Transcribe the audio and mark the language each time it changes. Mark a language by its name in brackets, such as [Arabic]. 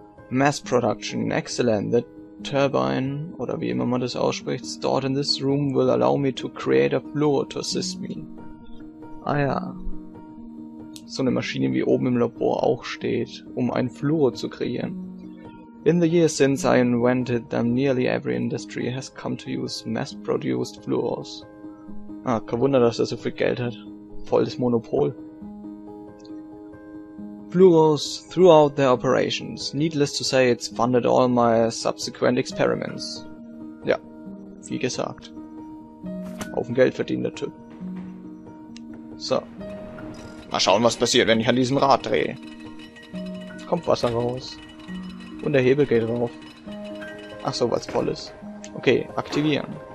[English] Mass Production. Excellent. The turbine, [German] oder wie immer man das ausspricht, [English] stored in this room will allow me to create a floor to assist me. [German] Ah ja. so eine Maschine wie oben im Labor auch steht, um ein Fluor zu kreieren. [English] In the years since I invented them, nearly every industry has come to use mass-produced fluors. [German] Ah, kein Wunder, dass er so viel Geld hat. Volles Monopol. [English] Fluors throughout their operations. Needless to say, it's funded all my subsequent experiments. [German] Ja, wie gesagt. Auf dem Geld verdient der Typ. So. Mal schauen, was passiert, wenn ich an diesem Rad drehe. Kommt Wasser raus. Und der Hebel geht drauf. Ach so, weil's voll ist. Okay, aktivieren.